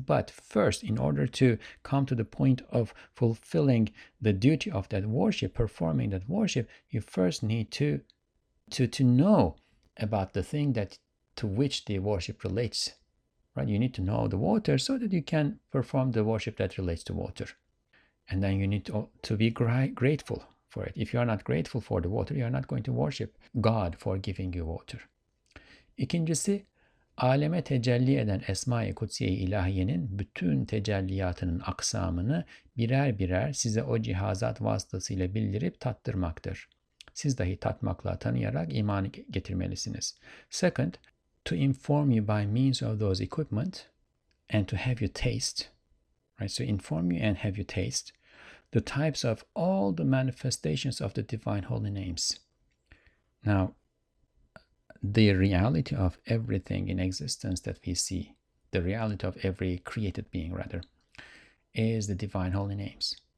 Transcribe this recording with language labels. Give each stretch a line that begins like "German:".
English: But first, in order to come to the point of fulfilling the duty of that worship, performing that worship, you first need to know about the thing that to which the worship relates, right? You need to know the water so that you can perform the worship that relates to water. And then you need to be grateful for it. If you are not grateful for the water, you are not going to worship God for giving you water.
Turkish: İkincisi, aleme tecelli eden Esma-i Kutsiye-i İlahiye'nin bütün tecelliyatının aksamını birer birer size o cihazat vasıtasıyla bildirip tattırmaktır. Siz dahi tatmakla tanıyarak imanı getirmelisiniz.
English: Second, to inform you by means of those equipment and to have you taste, right? So inform you and have you taste the types of all the manifestations of the divine holy names. Now, the reality of everything in existence that we see, the reality of every created being rather, is the divine holy names.